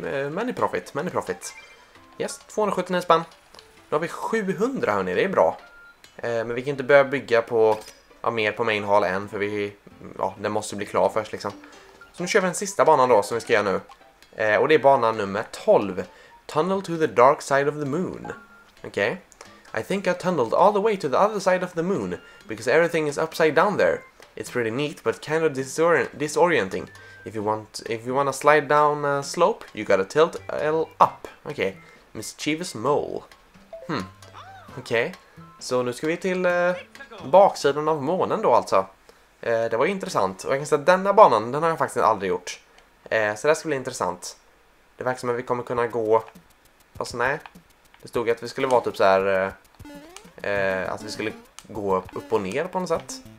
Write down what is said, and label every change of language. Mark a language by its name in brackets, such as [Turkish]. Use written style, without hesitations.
[English] Many profit. [Swedish] Yes, 279 spänn. Nu har vi 700, hörni, det är bra. Men vi kan inte börja bygga på mer på main hall än. För vi, ja, den måste bli klar först liksom. Så nu kör vi den sista banan då som vi ska göra nu. Och det är banan nummer 12. [English] Tunnel to the dark side of the moon. Okej. Okay. I think I tunneled all the way to the other side of the moon. Because everything is upside down there. It's pretty neat, but kind of disorienting. If you want to slide down a slope, you gotta tilt L up. Okay, mischievous mole. Okay. [Swedish] Så nu ska vi till baksidan av månen då alltså. Det var ju intressant. Och jag kan säga att denna banan, den har jag faktiskt aldrig gjort. Så det skulle bli intressant. Det verkar som att vi kommer kunna gå... Fast nej. Det stod ju att vi skulle vara typ så här... att vi skulle gå upp och ner på något sätt.